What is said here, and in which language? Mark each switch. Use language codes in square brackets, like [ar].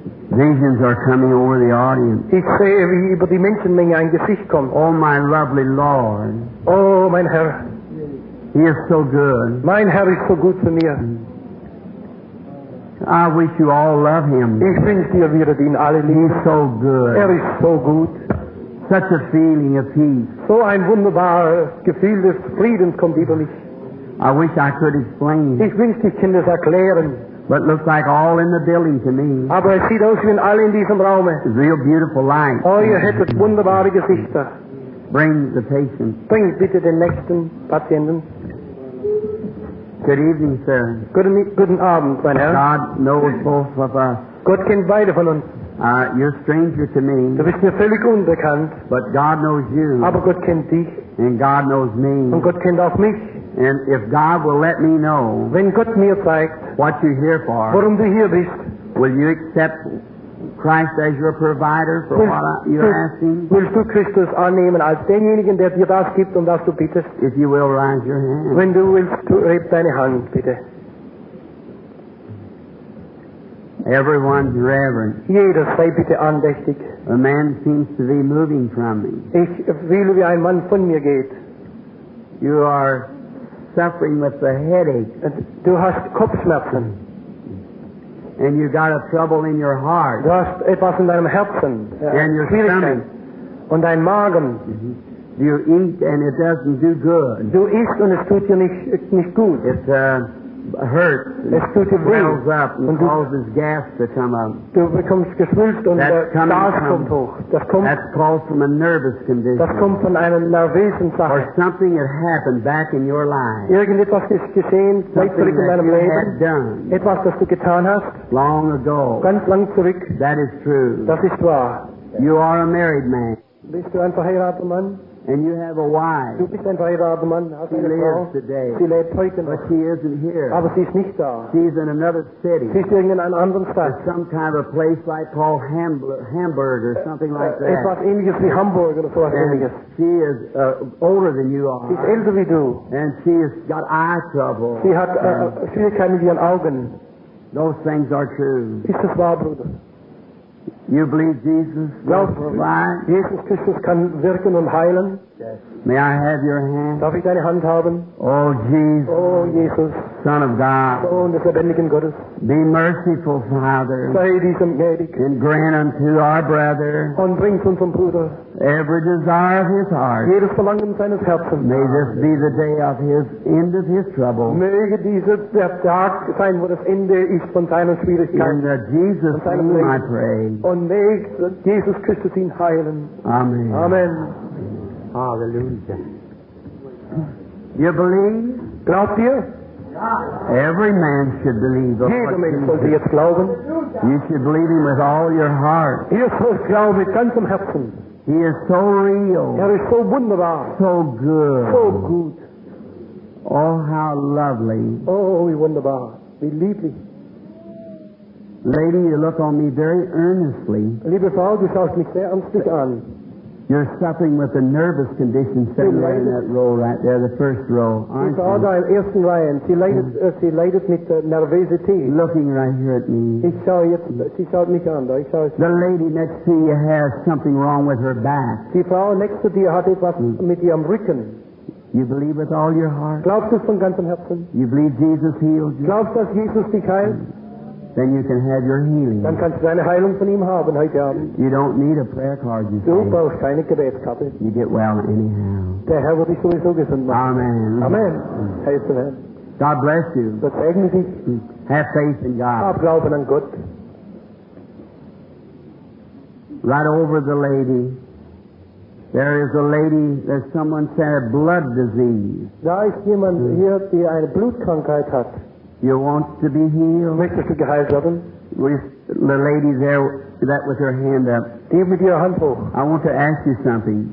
[en] Visions are coming over the audience. [de] Ich sehe, wie über die Menschenmenge ein Gesicht kommt. [en] Oh, my lovely Lord. [de] Oh, mein Herr. [en] He is so good. [de] Mein Herr ist so gut für mir. [en] I wish you all love him. [de] Ich wünsche dir, wir ihn alle lieben. [en] He is so good. [de] Ist so gut. [en] Such a feeling of peace. [de] So ein wunderbares Gefühl des Friedens kommt über mich. [en] I wish I could explain. [de] Ich wünschte, ich könnte es erklären. [en] But it looks like all in the building to me. [de] Aber es sieht aus wie alle in diesem Raum. [en] Real beautiful light. [de] Oh, ihr hättet wunderbare Gesichter. [en] Bring the patient. [de] Bring bitte den nächsten Patienten. [en] Good evening, sir. [de] Guten Abend, mein Herr. [en] God knows both of us. [de] Gott kennt beide von uns. [en] You're a stranger to me. [de] Du bist mir völlig unbekannt. [en] But God knows you. [de] Aber Gott kennt dich. [en] And God knows me. [de] Und Gott kennt auch mich. [en] And if God will let me know, [de] wenn Gott mir zeigt, [en] what you're here for, [de] warum du hier bist, [en] will you accept Christ as your provider for what you're asking? [de] Willst du Christus annehmen als denjenigen, der dir das gibt, um das du bittest? [en] If you will raise your hand, [de] wenn du willst, du reib deine Hand, bitte. [en] Everyone's reverent. [de] Jeder sei bitte andächtig. [en] A man seems to be moving from me. [de] Ich fühle, wie ein Mann von mir geht. [en] You are suffering with a headache. [de] Du hast Kopfschmerzen. [en] And you got a trouble in your heart. [de] Du hast etwas in deinem Herzen. [en] And your stomach. [de] Und dein Magen. Mm-hmm. [en] You eat and it doesn't do good. [de] Du isst und es tut dir nicht gut. [en] It hurts. [de] Es tut dir weh. [en] It swells up and causes gas to come up. [de] Du bekommst geschwülst und Gas kommt hoch. [en] That's called from a nervous condition. [de] Das kommt von einer nervösen Sache. [en] Or something that happened back in your life. [de] Irgendetwas ist geschehen, weit zurück in deinem Leben. [en] Had done. [de] Etwas, das du getan hast. [en] Long ago. [de] Ganz lang zurück. [en] That is true. [de] Das ist wahr. [en] You are a married man. [de] Bist du ein verheirateter Mann? [en] And you have a wife. [de] Du bist ein verheirateter Mann. [en] She lives today. [de] Sie lebt heute noch. [en] But she isn't here. [de] Aber sie ist nicht da. [en] She's in another city. [de] Sie ist irgendwo in einer anderen Stadt. [en] There's some kind of a place like called Hamburg or something like that. [de] Etwas ähnliches wie Hamburg oder so was ähnliches. [en] She is older than you are. [de] Sie ist älter wie du. [en] And she has got eye trouble. [de] Sie hat Schwierigkeiten mit ihren Augen. [en] Those things are true. [de] Ist das wahr, Bruder? [en] You believe Jesus will provide? [de] Jesus Christus kann wirken und heilen. [en] Yes. May I have your hand? [de] Darf ich deine Hand haben? [en] Oh Jesus. [de] Oh Jesus. [en] Son of God. [de] Oh, des lebendigen Gottes. [en] Be merciful, Father. [de] Sei diesem gnädig. [en] And grant unto our brother. [de] Und bring zu unserem Bruder. [en] Every desire of his heart. [de] Jedes Verlangen seines Herzens. [en] May this be the day of his end of his trouble. [de] Möge dieser Tag sein, wo das Ende ist von seiner Schwierigkeit. [en] In the Jesus name I pray. [de] Und möge Jesus Christus ihn heilen. [en] Amen. [de] Amen. [en] Hallelujah. You believe? [de] Glaubt ihr? [en] Every man should believe. You should believe him with all your heart. He is so real. [de] Is so wunderbar. [en] So good. So good. Oh, how lovely. [de] Oh, wie wunderbar. Wie lieblich. [en] Lady, you look on me very earnestly. [de] Liebe Frau, du schaust mich sehr ernstlich an. [en] You're suffering with a nervous condition sitting there in that row right there, the first row, aren't you? [de] Ich sage im ersten Reihen. Sie leidet mit Nervosität. [en] Looking right here at me. [de] Sie schaut mich an. [en] The lady next to you has something wrong with her back. [de] Die Frau [en] next to [de] dir hat etwas mit ihrem Rücken. [en] You believe with all your heart? [de] Glaubst du von ganzem Herzen? [en] You believe Jesus healed you? [de] Glaubst du, dass Jesus dich heilt? [en] Then you can have your healing. [de] Dann kannst du deine Heilung von ihm haben heute Abend. [en] You don't need a prayer card, you say. [de] Du brauchst keine Gebetskarte. [en] You get well anyhow. [de] Der Herr wird dich sowieso gesund machen. Amen. Hey, so Herr. [en] God bless you. [de] Gott segne dich. [en] Have faith in God. [de] Hab Glauben an Gott. [en] Right over the lady. There is a lady that someone said a blood disease. [de] Da ist jemand hier, der eine Blutkrankheit hat. [en] You want to be healed? [de] Möchtest du geheilt werden? [en] With the lady there, that with her hand up. [de] Die mit ihrer Hand hoch. [en] I want to ask you something.